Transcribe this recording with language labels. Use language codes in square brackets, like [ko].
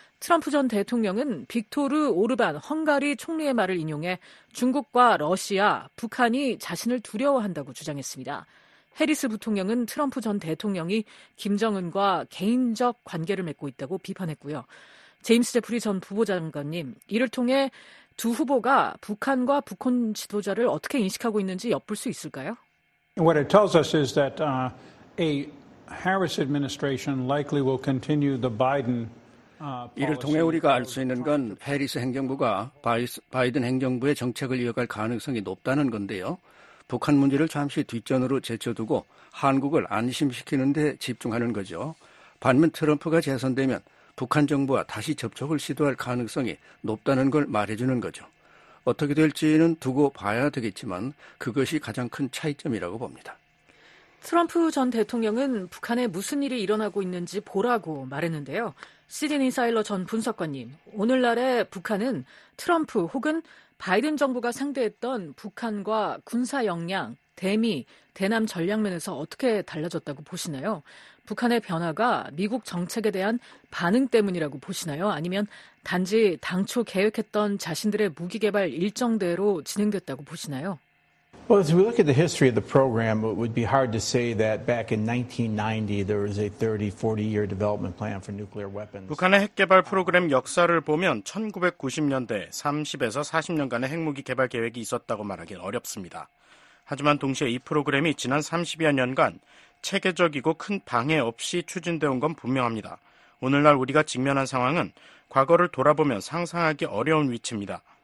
[ko] 트럼프 전 대통령은 빅토르 오르반 헝가리 총리의 말을 인용해 중국과 러시아, 북한이 자신을 두려워한다고 주장했습니다. 해리스 부통령은 트럼프 전 대통령이 김정은과 개인적 관계를 맺고 있다고 비판했고요. 제임스 제프리 전 부보좌관님, 이를 통해 두 후보가 북한과 북한 지도자를 어떻게 인식하고 있는지 엿볼 수 있을까요? [en] What it tells us is that a Harris administration likely will continue the Biden [ko] 이를 통해 우리가 알 수 있는 건 해리스 행정부가 바이든 행정부의 정책을 이어갈 가능성이 높다는 건데요. 북한 문제를 잠시 뒷전으로 제쳐두고 한국을 안심시키는 데 집중하는 거죠. 반면 트럼프가 재선되면 북한 정부와 다시 접촉을 시도할 가능성이 높다는 걸 말해주는 거죠. 어떻게 될지는 두고 봐야 되겠지만 그것이 가장 큰 차이점이라고 봅니다. 트럼프 전 대통령은 북한에 무슨 일이 일어나고 있는지 보라고 말했는데요. 시드니 사일러 전 분석관님, 오늘날의 북한은 트럼프 혹은 바이든 정부가 상대했던 북한과 군사 역량, 대미, 대남 전략면에서 어떻게 달라졌다고 보시나요? 북한의 변화가 미국 정책에 대한 반응 때문이라고 보시나요? 아니면 단지 당초 계획했던 자신들의 무기 개발 일정대로 진행됐다고 보시나요? [en] Well, as we look at the history of the program, it would be hard to say that back in 1990 there was a 30-40-year development plan for nuclear weapons. [ko] 북한의 핵 개발 프로그램 역사를 보면 1990년대 30에서 40년간의 핵무기 개발 계획이 있었다고 말하기는 어렵습니다. 하지만 동시에 이 프로그램이 지난 30여 년간 체계적이고 큰 방해 없이 추진되어 온건 분명합니다. 오늘날 우리가 직면한 상황은 과거를 돌아보면 상상하기 어려운 위치입니다.